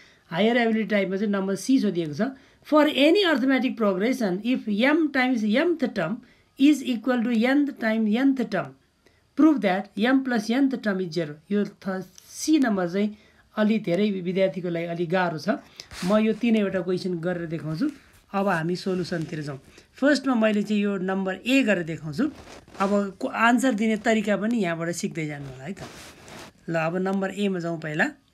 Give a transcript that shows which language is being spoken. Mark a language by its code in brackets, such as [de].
[ne] Higher ability टाइपमा चाहिँ number C सोधिएको छ। [en] For any arithmetic progression, if m times nth term is equal to nth time nth term, prove that m plus nth term is 0। [ne] यो C number चाहिँ अलि धेरै विद्यार्थीको लागि अलिक गाह्रो छ। म यो तिनैवटा क्वेसन गरेर देखाउँछु, अब हामी सोलुसनतिर जाउँ। फर्स्टमा मैले चाहिँ यो नम्बर ए गरेर देखाउँछु, अब आन्सर दिने तरिका पनि यहाँबाट सिक्दै जानु होला है त। ल, अब नम्बर एमा जाउँ पहिला।